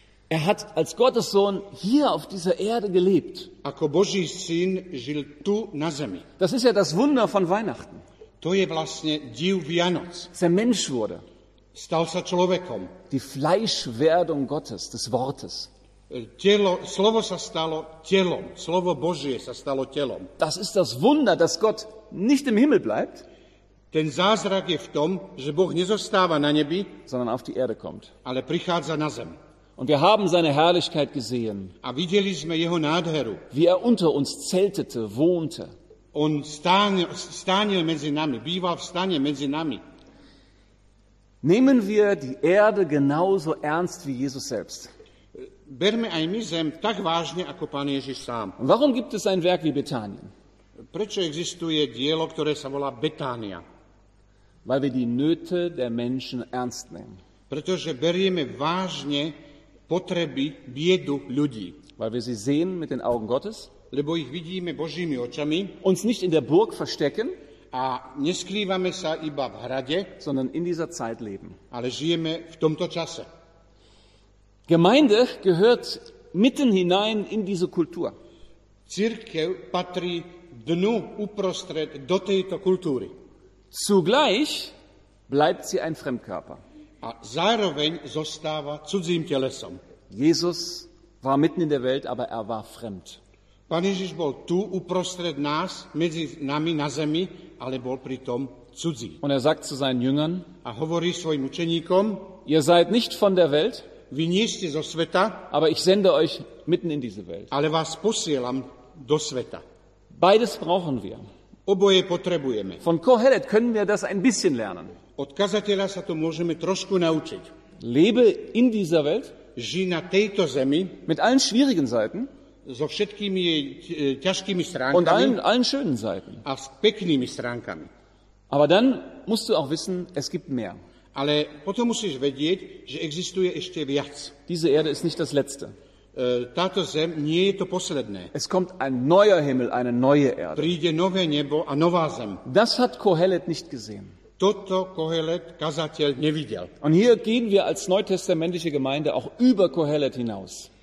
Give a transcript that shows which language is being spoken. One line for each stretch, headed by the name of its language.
German: Er hat als Gottes Sohn hier auf dieser Erde gelebt.
Slovak: Ako Boží syn žil tu na zemi.
German: Das ist ja das Wunder von Weihnachten.
Slovak: To je vlastne div Vianoc.
German: Der Mensch wurde.
Slovak: Stal sa človekom.
German: Die Fleischwerdung Gottes, des Wortes.
Slovak: Telo, slovo sa stalo telom. Slovo Božie sa stalo telom.
German: Das ist das Wunder, dass Gott nicht im Himmel bleibt.
Slovak: Ten zázrak je v tom, že Boh nezostáva na nebi,
German: sondern auf die Erde kommt.
Slovak: Ale prichádza na zem.
German: Und wir haben seine Herrlichkeit gesehen.
Slovak: A videli sme jeho nádheru.
German: Wie er unter uns zeltete, wohnte.
Slovak: On stánil medzi nami, býval v stane medzi nami.
German: Nehmen wir die Erde genauso ernst wie Jesus selbst.
Slovak: Berme aj my zem tak vážne ako Pán Ježiš sám.
German: Warum gibt es ein Werk wie Betanien?
Slovak: Prečo existuje dielo, ktoré sa volá Betánia?
German: Weil wir die Nöte der Menschen ernst nehmen.
Slovak: Pretože berieme vážne potreby, biedu ľudí.
German: Weil wir sie sehen mit den Augen Gottes.
Slovak: Lebo ich vidíme Božími očami.
German: Uns nicht in der Burg verstecken.
Slovak: A neskrývame sa iba v hrade.
German: Sondern in dieser Zeit leben.
Slovak: Ale žijeme v tomto čase.
German: Gemeinde gehört mitten hinein in diese Kultur.
Slovak: Cirkev patrí dnu uprostred do tejto kultúry.
German: Zugleich bleibt sie ein Fremdkörper.
Slovak: A zároveň zostáva cudzím telesom.
German: Jesus war mitten in der Welt, aber er war fremd.
Slovak: Pán Ježiš bol tu uprostred nás, medzi nami na zemi, ale bol pritom cudzí.
German: Und er sagt zu seinen Jüngern,
Slovak: a hovorí svojim učeníkom,
German: ihr seid nicht von der Welt,
Slovak: vy nie ste zo sveta,
German: aber ich sende euch mitten in diese Welt.
Slovak: Ale vás posielam do sveta.
German: Beides brauchen wir.
Slovak: Oboje potrebujeme.
German: Von Kohelet können wir das ein bisschen lernen.
Slovak: Od kazateľa sa to môžeme trošku naučiť.
German: Lebe in dieser Welt,
Slovak: žij na tejto zemi,
German: mit allen schwierigen Seiten,
Slovak: so všetkými ťažkými stránkami.
German: Und allen schönen Seiten.
Slovak: A s peknými stránkami.
German: Aber dann musst du auch wissen, es gibt mehr.
Slovak: Ale potom musíš vedieť, že existuje ešte viac.
German: Diese Erde ist nicht das Letzte.
Slovak: Táto zem nie je to posledné.
German: Es kommt ein neuer Himmel, eine neue Erde.
Slovak: Príde nové nebo a nová zem.
German: Das hat Kohelet nicht gesehen.
Slovak: Toto Kohelet, kazateľ, nevidel.
German: Und hier gehen wir als neutestamentliche Gemeinde auch über Kohelet hinaus.